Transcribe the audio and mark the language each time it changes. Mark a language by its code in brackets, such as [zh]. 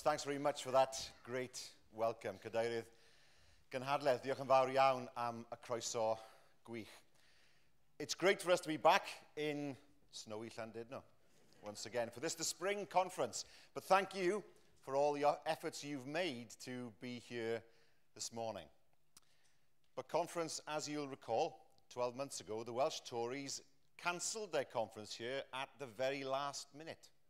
[en] Thanks very much for that great welcome. [cy] Cadeirydd Gynhadledd, diolch yn fawr iawn am y croeso gwych. [en] It's great for us to be back in snowy Llandudno, no? Once again, for this the spring conference. But thank you for all your efforts you've made to be here this morning. But Conference, as you'll recall, 12 months ago, the Welsh Tories cancelled their conference here at the very last minute.